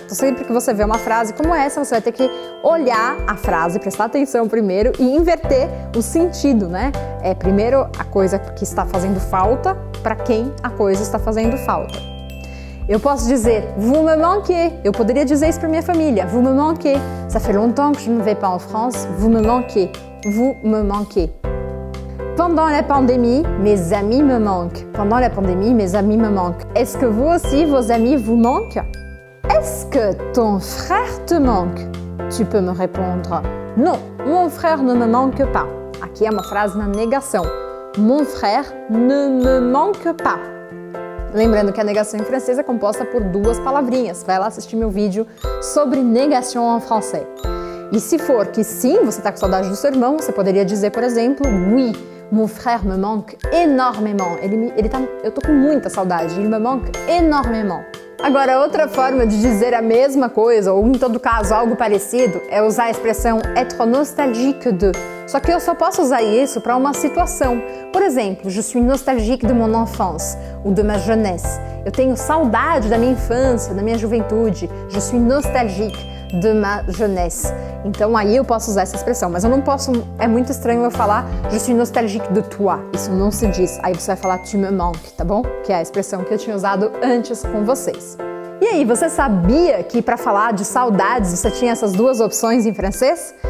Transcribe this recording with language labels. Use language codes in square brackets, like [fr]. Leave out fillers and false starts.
[pt] Então, sempre que você vê uma frase como essa, você vai ter que olhar a frase, prestar atenção primeiro e inverter o sentido, né? É primeiro a coisa que está fazendo falta para quem a coisa está fazendo falta. Eu posso dizer, [fr] vous me manquez. [pt] Eu poderia dizer isso para minha família. [fr] Vous me manquez. Ça fait longtemps que je ne vais pas en France. Vous me manquez. Vous me manquez. Pendant la pandémie, mes amis me manquent. Pendant la pandémie, mes amis me manquent. Est-ce que vous aussi, vos amis vous manquent? Est-ce que ton frère te manque? Tu peux me répondre. Non, mon frère ne me manque pas. [pt] Aqui é uma frase na negação. [fr] Mon frère ne me manque pas. [pt] Lembrando que a negação em francês é composta por duas palavrinhas. Vai lá assistir meu vídeo sobre [fr] negation en français. [pt] E se for que sim, você está com saudade do seu irmão, você poderia dizer, por exemplo, oui. [fr] Mon frère me manque énormément. [pt] Eu tô com muita saudade. [fr] Il me manque énormément. [pt] Agora, outra forma de dizer a mesma coisa, ou em todo caso, algo parecido, é usar a expressão [fr] être nostalgique de. [pt] Só que eu só posso usar isso para uma situação. Por exemplo, [fr] je suis nostalgique de mon enfance, ou de ma jeunesse. [pt] Eu tenho saudade da minha infância, da minha juventude. [fr] Je suis nostalgique de ma jeunesse. [pt] Então aí eu posso usar essa expressão, mas eu não posso, é muito estranho eu falar [fr] je suis nostalgique de toi, [pt] isso não se diz. Aí você vai falar [fr] tu me manques, [pt] tá bom? Que é a expressão que eu tinha usado antes com vocês. E aí, você sabia que para falar de saudades você tinha essas duas opções em francês?